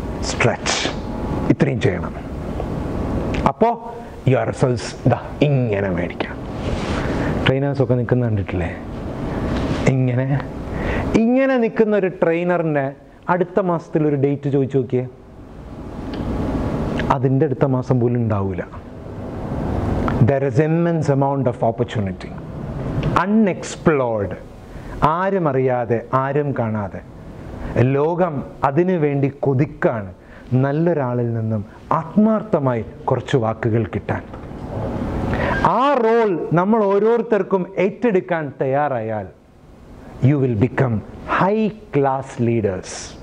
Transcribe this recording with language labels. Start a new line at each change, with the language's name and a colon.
Malayalam: Stretch, ഇത്രയും ചെയ്യണം. അപ്പോൾ
English: your results
Malayalam: ഇതാ ഇങ്ങനെ മേടിക്കാം. ട്രെയിനേഴ്സൊക്കെ നിൽക്കുന്ന കണ്ടിട്ടില്ലേ, ഇങ്ങനെ ഇങ്ങനെ നിൽക്കുന്ന ഒരു ട്രെയിനറിൻ്റെ അടുത്ത മാസത്തിൽ ഒരു ഡേറ്റ് ചോദിച്ചു നോക്കിയേ, അതിൻ്റെ അടുത്ത മാസം പോലും ഉണ്ടാവില്ല.
English: There is immense amount of opportunity. Unexplored.
Malayalam: ആരും അറിയാതെ, ആരും കാണാതെ ലോകം അതിനു വേണ്ടി കൊതിക്കാണ്, നല്ലൊരാളിൽ നിന്നും ആത്മാർത്ഥമായി കുറച്ച് വാക്കുകൾ കിട്ടാൻ. ആ റോൾ നമ്മൾ ഓരോരുത്തർക്കും ഏറ്റെടുക്കാൻ തയ്യാറായാൽ
English: You will become high class leaders.